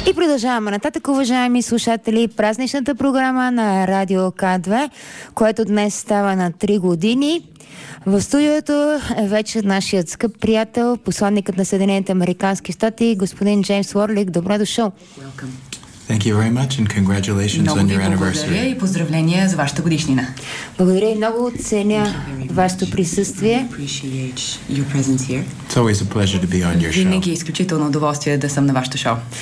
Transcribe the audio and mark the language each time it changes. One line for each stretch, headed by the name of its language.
Bulgarian: И продължаваме нататък, уважаеми слушатели, празничната програма на Радио К2, което днес става на 3 години. В студиото е вече нашият скъп приятел, посланникът на Съединените американски щати, господин Джеймс Уорлик. Добре дошъл.
English: Thank you very much and congratulations on your anniversary.
Bulgarian: Много ви благодаря и поздравления за вашата годишнина. Благодаря и много оценя вашето присъствие.
English: It's always a pleasure to be on your show.
Bulgarian: Винаги е изключително удоволствие да съм на вашето шоу.